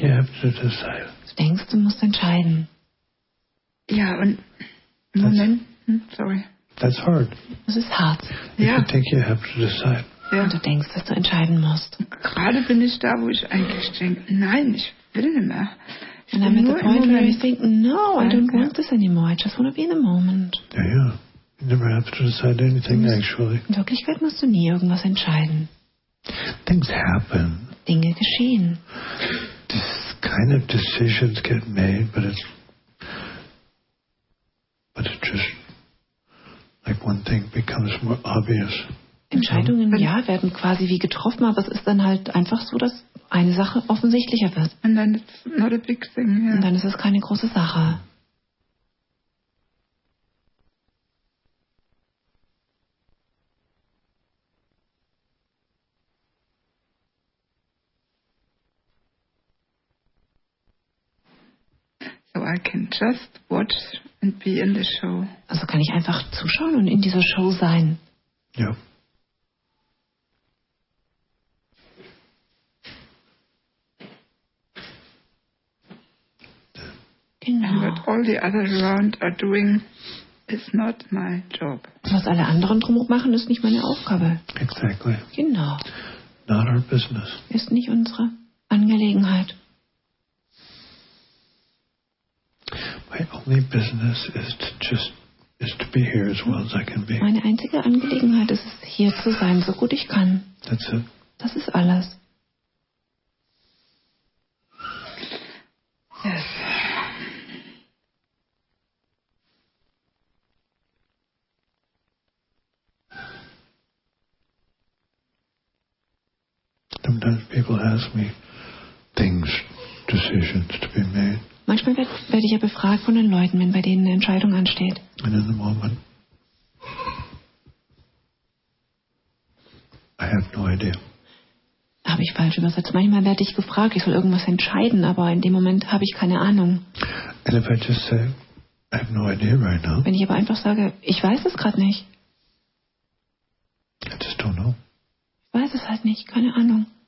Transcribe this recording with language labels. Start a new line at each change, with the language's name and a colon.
English: You have to decide.
German: Denkst du, musst entscheiden. Ja, und Moment, sorry.
English: That's hard.
German: Das ist hart.
English: Ja. You think you have to decide.
German: Ja. Und du denkst, dass du entscheiden musst. Gerade bin ich da, wo ich eigentlich denke, nein, ich will nicht mehr.
English: Ich and I'm at the point where I think, no, I don't want this anymore. I just want to be in the moment. Ja, ja. You never have to decide anything, actually.
German: In Wirklichkeit musst du nie irgendwas entscheiden.
English: Things happen.
German: Dinge geschehen.
English: Kind of decisions get made, but it's just like one thing becomes more obvious.
German: Entscheidungen, ja, werden quasi wie getroffen, aber es ist dann halt einfach so, dass eine Sache offensichtlicher wird.
English: And then it's not a big thing, yeah.
German: Und dann ist es keine große Sache.
English: I can just watch and be in the show.
German: Also kann ich einfach zuschauen und in dieser Show sein. Ja. Genau.
English: And what all the others around are doing is not my job.
German: Was alle anderen drumherum machen, ist nicht meine Aufgabe.
English: Exactly.
German: Genau.
English: Not our business.
German: Ist nicht unsere Angelegenheit.
English: My only business is to be here as well as I can be.
German: Meine einzige Angelegenheit ist es, hier zu sein, so gut ich kann.
English: That's it.
German: Das ist alles.
English: Yes. Sometimes people ask me things, decisions to be made.
German: Manchmal werde ich ja befragt von den Leuten, wenn bei denen eine Entscheidung ansteht.
English: And in the moment, I have no idea.
German: habe ich falsch übersetzt. Manchmal werde ich gefragt, ich soll irgendwas entscheiden, aber in dem Moment habe ich keine Ahnung.
English: And if I just say, I have no idea right now.
German: Wenn ich aber einfach sage, ich weiß es gerade nicht.
English: I just don't know.
German: Ich weiß es halt nicht, keine Ahnung.